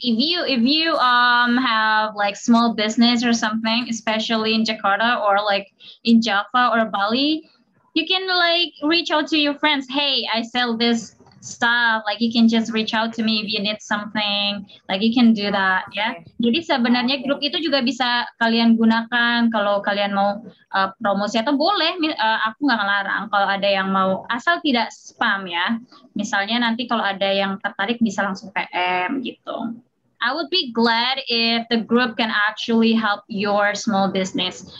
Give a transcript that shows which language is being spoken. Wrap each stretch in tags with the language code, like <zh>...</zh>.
<en>If you have like small business or something, especially in Jakarta or like in Java or Bali, you can like reach out to your friends. Hey, I sell this stuff. Like you can just reach out to me if you need something. Like you can do that, okay. Ya. Yeah?</en> <id>Jadi sebenarnya</id> <en>okay.</en> <id>Grup itu juga bisa kalian gunakan kalau kalian mau promosi atau boleh. Aku nggak ngelarang kalau ada yang mau, asal tidak spam ya. Misalnya nanti kalau ada yang tertarik bisa langsung PM gitu.</id> <en>I would be glad if the group can actually help your small business.</en>